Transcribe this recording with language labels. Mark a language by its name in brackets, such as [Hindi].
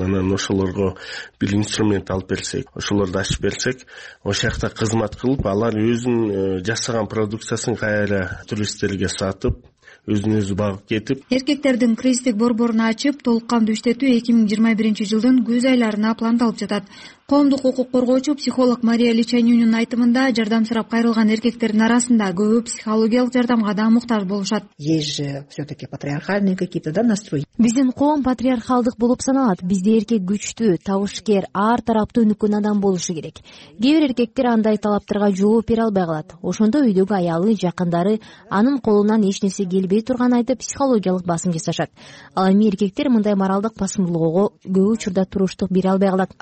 [Kyrgyz] Анан ошолорго бир инструмент алып берсек, ошолорду ачып берсек, ошол жакта кызмат кылып, алар өзүн жасаган продукциясын кайра туристтерге сатып өзүн өзү багып кетип. Эркектердин кризистик борборун ачып, толуккандуу иштетүү 2021 жылдын күз айларына пландалып жатат. Коомдук укук коргоочу психолог Мария Личанюнун айтымында жардам сурап кайрылган эркектердин арасында көбү психологиялык жардамга да муктаж болушат. [Russian] Есть же все-таки патриархальные какие-то да настрой. [Kyrgyz] Биздин коом патриархалдык болуп саналат. Бизде эркек күчтүү, табышкер, ар тараптуу өнүккөн адам болушу керек. Кээ бир эркектер андай талаптарга жооп бере албай калат. Ошондо үйдөгү аялы, жакындары анын колунан эч нерсе келбей турганын айтып психологиялык басым жасашат. Ал эми эркектер мындай моралдык басымдуулугу көп учурда туруштук бере албай калат.